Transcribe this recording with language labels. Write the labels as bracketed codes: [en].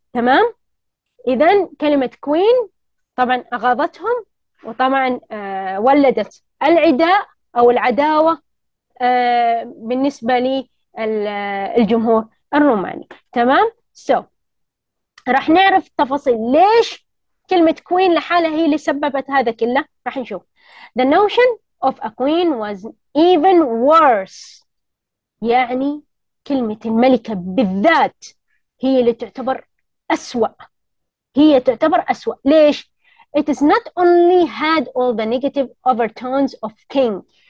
[ar] تمام؟ إذا كلمة كوين طبعا أغاظتهم وطبعا ولدت العداء أو العداوة بالنسبة للجمهور الروماني. تمام؟ So راح نعرف التفاصيل ليش كلمة كوين لحالها هي اللي سببت هذا كله. راح نشوف. [en] The notion of a queen was even worse. [ar] يعني كلمة الملكة بالذات هي اللي تعتبر أسوأ، هي تعتبر أسوأ. [en] ليش؟ It is not only had all the negative overtones of king.